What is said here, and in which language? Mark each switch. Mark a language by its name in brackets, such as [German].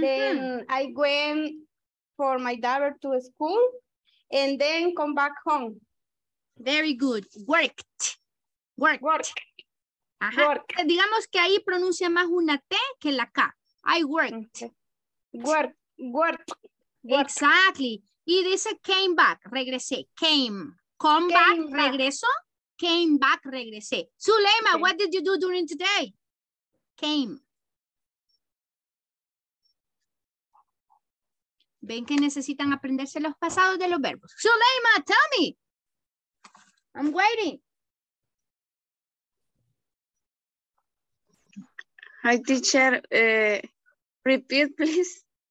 [English] Then I went for my daughter to school and then come back home. Very good. Worked. [Spanish] Digamos que ahí pronuncia más una T que la K. [English] I worked. Okay. Worked. Exactly. [Spanish] Y dice [English] came back, regresé. Came back, regresé. Zuleima, okay. What did you do during today? Came. I [Spanish] Ven que necesitan aprenderse los pasados de los verbos. [English] Suleyma, tell me. I'm waiting. Hi, teacher. Repeat, please.